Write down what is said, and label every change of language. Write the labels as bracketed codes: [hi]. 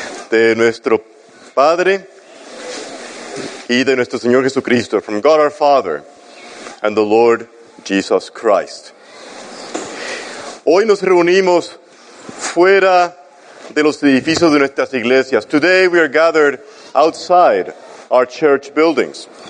[es] De nuestro Padre y de nuestro Señor Jesucristo. [en] From God our Father and the Lord Jesus Christ. [es] Hoy nos reunimos fuera de los edificios de nuestras iglesias. [en] Today we are gathered outside our church buildings.